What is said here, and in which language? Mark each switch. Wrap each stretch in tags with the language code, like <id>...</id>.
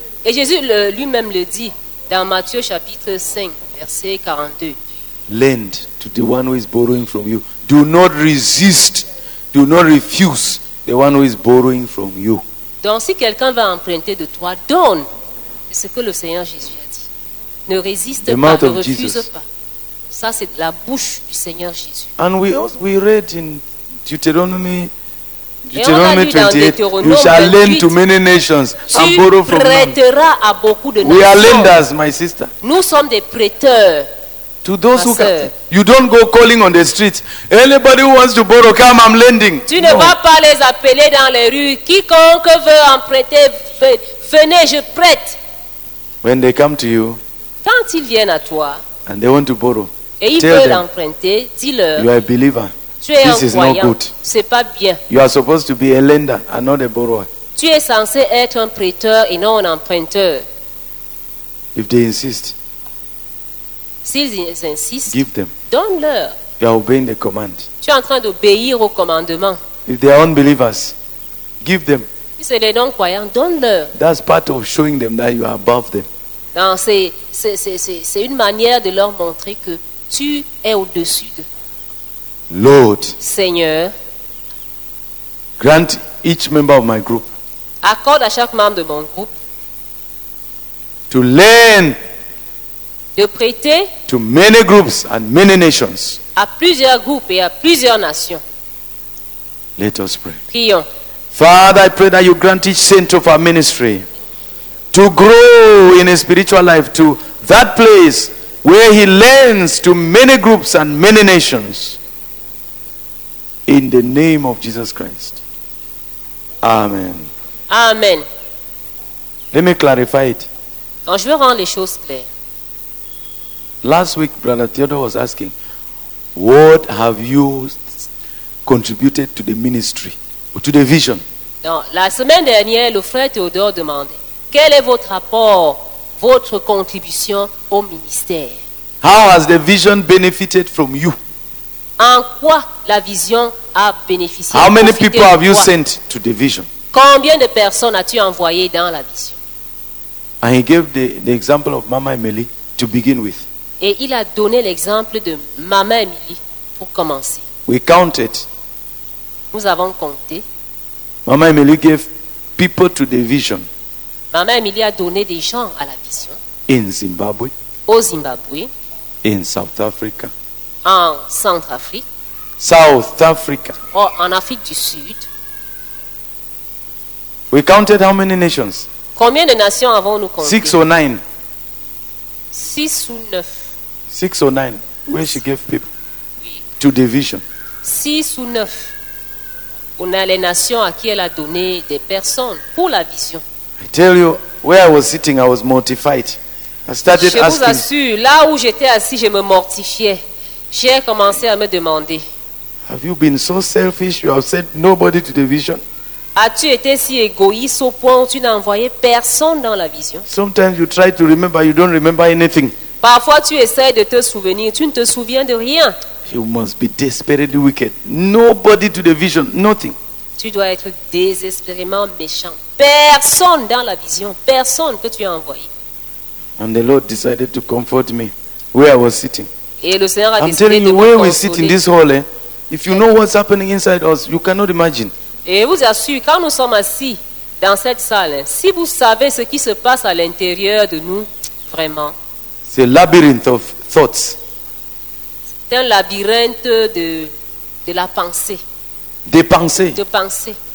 <fr>Et Jésus lui-même le dit dans Matthieu chapitre 5 verset 42.</fr> <en>Lend to the one who is borrowing from you. Do not resist. Do not refuse the one who is borrowing from you.</en> <fr>Donc si quelqu'un va emprunter de toi, donne. C'est ce que le Seigneur Jésus a dit. Ne résiste pas, ne refuse</fr> <en>Jesus.</en> <fr>Pas. Ça, c'est la bouche du Seigneur Jésus.</fr> <en>And we read in Deuteronomy 28, you shall lend to many nations and borrow from them.</en> <fr>Tu prêteras à beaucoup de nations.</fr> <en>We are lenders, my sister.</en> <fr>Nous sommes des prêteurs.</fr> <en>To those who can, you don't go calling on the streets. Anybody who wants to borrow, come, I'm lending.</en> <fr>Tu ne vas pas les appeler dans les rues. Quiconque veut emprunter, venez, je prête.</fr> <en>When they come to you,</en> <fr>quand ils viennent à toi,</fr> <en>and they want to borrow,</en> <fr>et ils veulent emprunter, dis-leur,</fr> <en>you are a believer.</en> <fr>Tu es</fr> <en>this</en> <fr>un</fr> <en>is</en> <fr>croyant.</fr> <en>Not good.</en> <fr>C'est pas bien.</fr> <en>You are supposed to be a lender and not a borrower.</en> <fr>Tu es censé être un prêteur et non un emprunteur.</fr> <en>If they insist,</en> <fr>s'ils insistent,</fr> <en>give them.</en> <fr>Donne-leur.</fr> <en>You are obeying the command.</en> <fr>Tu es en train d'obéir au commandement.</fr> <en>If they are unbelievers, give them.</en> <fr>Si c'est les non-croyants, donne-leur.</fr> <en>That's part of showing them that you are above them.</en> <fr>Non, c'est une manière de leur montrer que tu es au-dessus d'eux.</fr> <en>Lord,</en> <fr>Seigneur,</fr> <en>grant each member of my group.</en> <fr>Accorde à chaque membre de mon groupe.</fr> <en>To lend.</en> <fr>De prêter.</fr> <en>To many groups and many nations.</en> <fr>À plusieurs groupes et à plusieurs nations.</fr> <en>Let us pray.</en> <fr>Prions.</fr> <en>Father, I pray that you grant each saint of our ministry to grow in a spiritual life to that place where he lends to many groups and many nations. In the name of Jesus Christ. Amen. Amen. Let me clarify it.</en> <fr>Donc, je veux rendre les choses claires.</fr> <en>Last week, Brother Theodore was asking, what have you contributed to the ministry, or to the vision?</en> <fr>Donc, la semaine dernière, le frère Théodore demandait, quel est votre apport, votre contribution au ministère?</fr> <en>How has the vision benefited from you?</en> <fr>En quoi la vision a bénéficié?</fr> <en>How many people have you sent to the vision?</en> <fr>Combien de personnes as-tu envoyé dans la vision?</fr> <en>And he gave the example of Mama Emily to begin with.</en> <fr>Et il a donné l'exemple de Mama Emily pour commencer.</fr> <en>We counted.</en> <fr>Nous avons compté.</fr> <en>Mama Emily gave people to the vision.</en> <fr>Mama Emily a donné des gens à la vision.</fr> <en>In Zimbabwe.</en> <fr>Au Zimbabwe.</fr> <en>In South Africa.</en> <fr>En Centrafrique.</fr> <en>South Africa.</en> <fr>Or en Afrique du Sud.</fr> <en>We counted how many nations?</en> <fr>Combien de nations avons-nous compté?</fr> <en>6 or 9.</en> <fr>6 ou 9.</fr> <en>6 or 9. Where she gave people? Oui. To the vision.</en> <fr>6 ou 9. On a les nations à qui elle a donné des personnes pour la vision.</fr> <en>I tell you, where I was sitting, I was mortified. I started asking.</en> <fr>Je vous assure, là où j'étais assis, je me mortifiais. J'ai commencé à me demander.</fr> <en>Have you been so selfish? You have sent nobody to the vision?</en> <fr>As-tu été si égoïste au point où tu n'as envoyé personne dans la vision?</fr> <en>Sometimes you try to remember, you don't remember anything.</en> <fr>Parfois tu essaies de te souvenir, tu ne te souviens de rien.</fr> <en>You must be desperately wicked. Nobody to the vision, nothing.</en> <fr>Tu dois être désespérément méchant. Personne dans la vision, personne que tu as envoyé. And the Lord decided to comfort me where I was sitting. Et le Seigneur a</fr> <en>I'm telling you, where we sit in this hall, eh, if you know what's happening inside us, you cannot imagine.</en> <fr>Et vous assure, quand nous sommes assis dans cette salle, hein, si vous savez ce qui se passe à l'intérieur de nous, vraiment. C'est un labyrinthe</fr> <en>of thoughts.</en> <fr>C'est un labyrinthe de la pensée. Des pensées. De pensée.</fr>